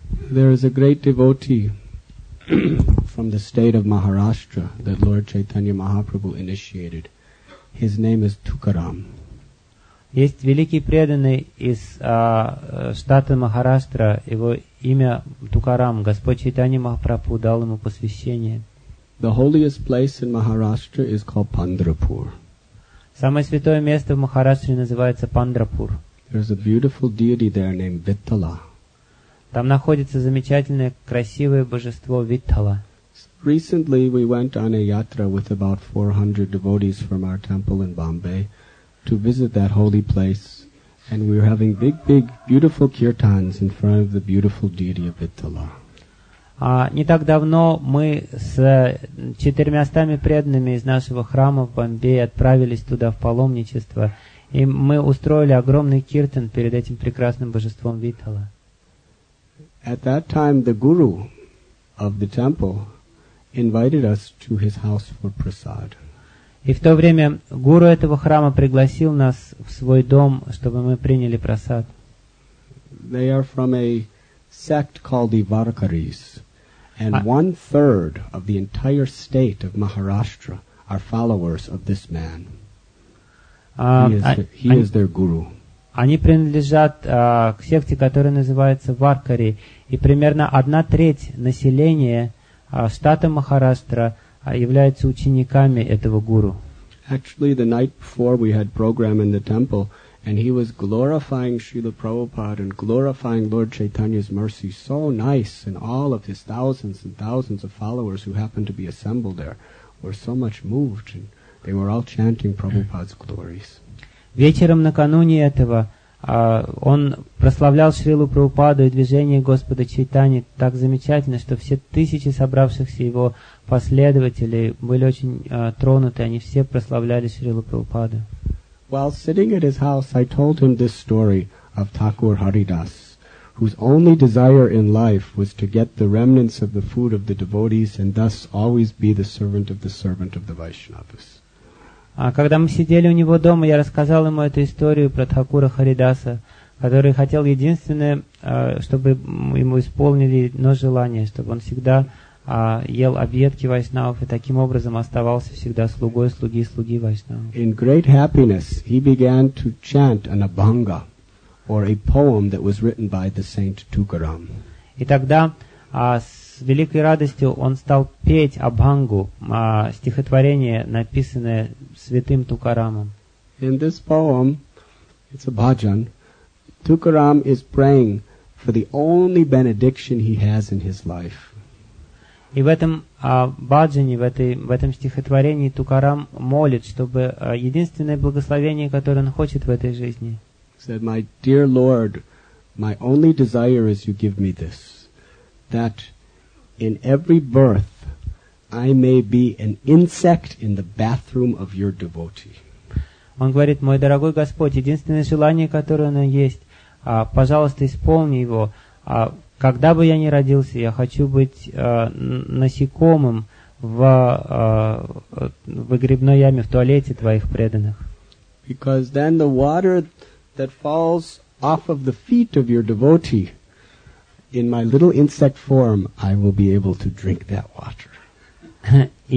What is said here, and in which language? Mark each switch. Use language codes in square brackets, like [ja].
[en] There is a great devotee from the state of Maharashtra that Lord Chaitanya Mahaprabhu initiated. His name is Tukaram. [ru] Есть великий преданный из штата Махараштра. Его имя Тукарам. Господь Чайтанья Махапрабху дал ему посвящение. [en] The holiest place in Maharashtra is called Pandrapur. [ru] Самое святое место в Махараштре называется Пандрапур. [en] There is a beautiful deity there named Vitthala. [ru] Там находится замечательное, красивое божество Виттала. [en] Recently we went on a yatra with about 400 devotees from our temple in Bombay to visit that holy place, and we were having big, big, beautiful kirtans in front of the beautiful deity of Vitthala. [ru] Не так давно мы с 400 преданными из нашего храма в Бомбее отправились туда в паломничество, и мы устроили огромный киртан перед этим прекрасным божеством Виттала. [en] At that time the guru of the temple invited us to his house for prasad. [ru] И в то время гуру этого храма пригласил нас в свой дом, чтобы мы приняли прасад. [en] They are from a sect called the Varkaris. And one third of the entire state of Maharashtra are followers of this man. He is their guru. [ru] Они принадлежат к секте, которая называется Варкари, и примерно одна треть населения штата Махараштра является учениками этого гуру. [en] Actually, the night before we had program in the temple, and he was glorifying Srila Prabhupada and glorifying Lord Chaitanya's mercy so nice, and all of his thousands and thousands of followers who happened to be assembled there were so much moved, and they were all chanting Prabhupada's glories. [ru] Вечером накануне этого Он прославлял Шрилу Прабхупаду и движение Господа Чайтани так замечательно, что все тысячи собравшихся его последователей были очень тронуты, они все прославляли Шрилу Прабхупаду. [en] While sitting at his house, I told him this story of Thakur Haridas, whose only desire in life was to get the remnants of the food of the devotees and thus always be the servant of the servant of the Vaishnavas. [ru] Когда мы сидели у него дома, я рассказал ему эту историю про Тхакура Харидаса, который хотел единственное, чтобы ему исполнили одно желание, чтобы он всегда ел объедки вайшнавов и таким образом оставался всегда слугой слуги слуги вайшнавов. [en] In great happiness, he began to chant an abhanga, or a poem that was written by the saint Tukaram. [ru] И тогда с великой радостью он стал петь абхангу, стихотворение, написанное святым Тукарамом. [en] In this poem, it's a bhajan, Tukaram is praying for the only benediction he has in his life. [ru] И в этом баджане, в этом стихотворении Тукарам молит, чтобы единственное благословение, которое он хочет в этой жизни. [en] He said, my dear Lord, my only desire is you give me this, that in every birth, I may be an insect in the bathroom of your devotee. [ru] Он говорит, мой дорогой Господь, единственное желание, которое у меня есть, пожалуйста, исполни его. Когда бы я ни родился, я хочу быть насекомым в грибной яме, в туалете твоих преданных. [en] Because then the water that falls off of the feet of your devotee, in my little insect form, I will be able to drink that water.